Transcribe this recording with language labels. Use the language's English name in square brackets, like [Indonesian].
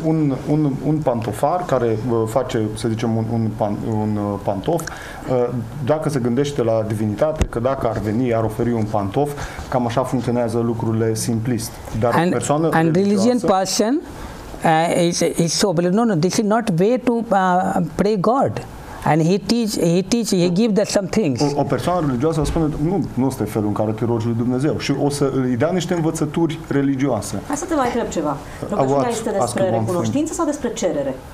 [Romanian] un pantofar care face, să zicem, un pantof, dacă se gândește la divinitate, că dacă ar veni ar oferi un pantof, cam așa funcționează lucrurile simplist. Dar [English] and, [Romanian] o persoană [English] and religious person is so, no, this is not way to pray God. And he give that some things. [Romanian] O persoană religioasă spune, nu este felul în care te rogi lui Dumnezeu și o să îi dea niște învățături religioase. Hai să te mai întreb ceva. Rugăciunea este despre recunoștință sau despre cerere?